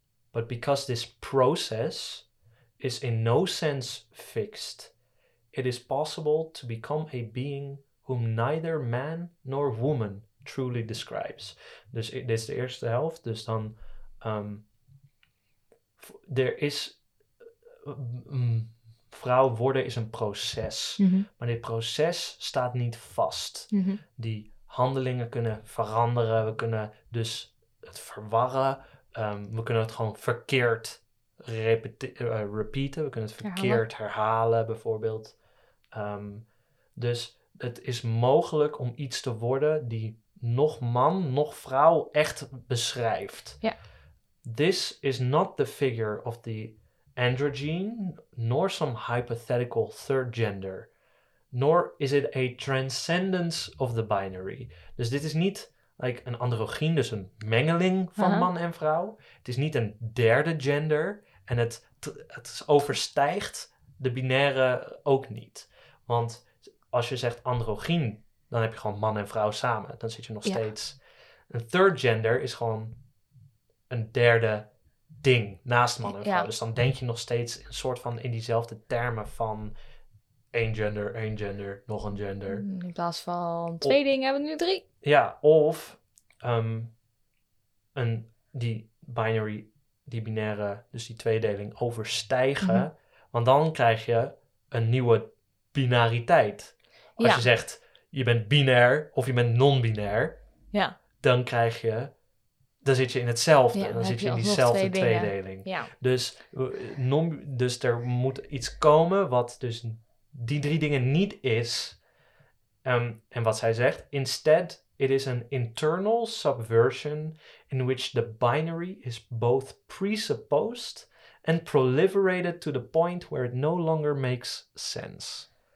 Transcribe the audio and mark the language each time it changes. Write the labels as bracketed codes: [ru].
[en] But because this process is in no sense fixed, it is possible to become a being whom neither man nor woman truly describes. [nl] Dus dit is de eerste helft. Dus dan, er is, vrouw worden is een proces. Mm-hmm. Maar dit proces staat niet vast. Mm-hmm. Die handelingen kunnen veranderen. We kunnen dus het verwarren. We kunnen het gewoon verkeerd repeaten. We kunnen het verkeerd herhalen bijvoorbeeld. Dus het is mogelijk om iets te worden die nog man, nog vrouw echt beschrijft. Ja. [en] This is not the figure of the androgyne, nor some hypothetical third gender. Nor is it a transcendence of the binary. [nl] Dus dit is niet like een androgyne, dus een mengeling van man en vrouw. Het is niet een derde gender. En het overstijgt de binaire ook niet. Want als je zegt androgyn, dan heb je gewoon man en vrouw samen. Dan zit je nog steeds. Een third gender is gewoon een derde ding naast man en vrouw. Dus dan denk je nog steeds een soort van in diezelfde termen van één gender, nog een gender. In plaats van twee dingen hebben we nu drie. Ja, of die binary, die binaire, dus die tweedeling overstijgen. Mm-hmm. Want dan krijg je een nieuwe binariteit. Als je zegt, je bent binair of je bent non-binair, dan krijg je, dan zit je in hetzelfde. Ja, dan zit je in diezelfde tweedeling. Ja. Dus er moet iets komen wat dus die drie dingen niet is. En wat zij zegt, [en] instead, it is an internal subversion in which the binary is both presupposed and proliferated to the point where it no longer makes sense.